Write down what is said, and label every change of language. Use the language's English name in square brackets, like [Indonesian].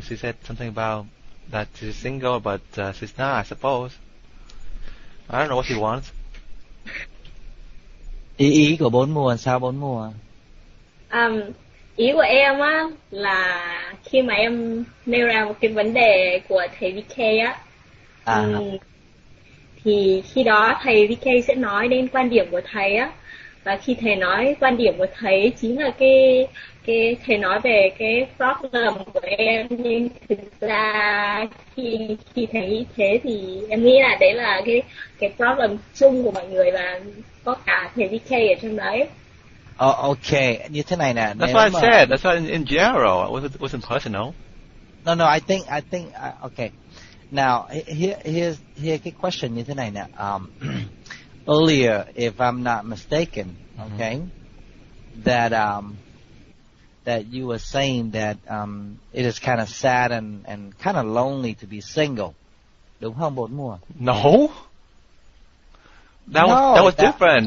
[English] She said something about that she's single, but she's not, I suppose. I don't know what she wants. [Vietnamese] Ý của bốn mùa là sao bốn mùa? Ý của em á là khi mà em nêu ra một cái vấn đề của thầy VK á. Thì khi đó thầy VK sẽ nói đến quan điểm của thầy á. Và khi thầy nói quan điểm của thầy chính là cái thầy nói về cái problem của em. Nhưng thực ra khi thầy nghĩ thế thì em nghĩ là đấy là cái problem chung của mọi người và có cả thầy VK ở trong đấy. Oh, okay, như thế này nè. [English] That's what I said, that's what in general, wasn't personal. No, I think, okay. Now, here's [Vietnamese] cái question như thế này nè. [English] Earlier, if I'm not mistaken, okay, that you were saying that it is kind of sad and kind of lonely to be single. [Vietnamese] Đúng không, bốn mùa? [English] No. That was different.